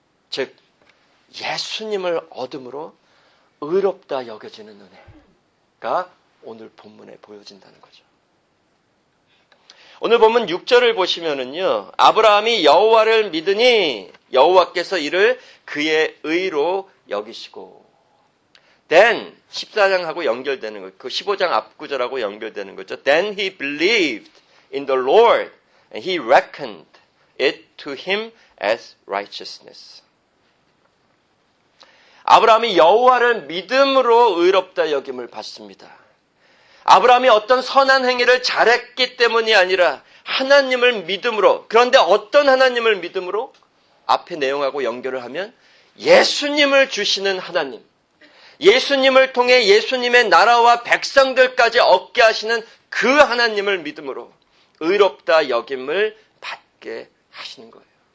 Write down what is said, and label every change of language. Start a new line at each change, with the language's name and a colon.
Korean: 즉 예수님을 얻음으로 의롭다 여겨지는 은혜가 오늘 본문에 보여진다는 거죠. 오늘 본문 6절을 보시면은요. 아브라함이 여호와를 믿으니 여호와께서 이를 그의 의로 여기시고 Then 14장하고 연결되는 거, 그 15장 앞구절하고 연결되는 거죠.
English: Then he believed in the Lord. And he reckoned it to him as righteousness.
Korean: 아브라함이 여호와를 믿음으로 의롭다 여김을 받습니다. 아브라함이 어떤 선한 행위를 잘했기 때문이 아니라 하나님을 믿음으로, 그런데 어떤 하나님을 믿음으로? 앞에 내용하고 연결을 하면 예수님을 주시는 하나님, 예수님을 통해 예수님의 나라와 백성들까지 얻게 하시는 그 하나님을 믿음으로 의롭다 여김을 받게 하시는 거예요.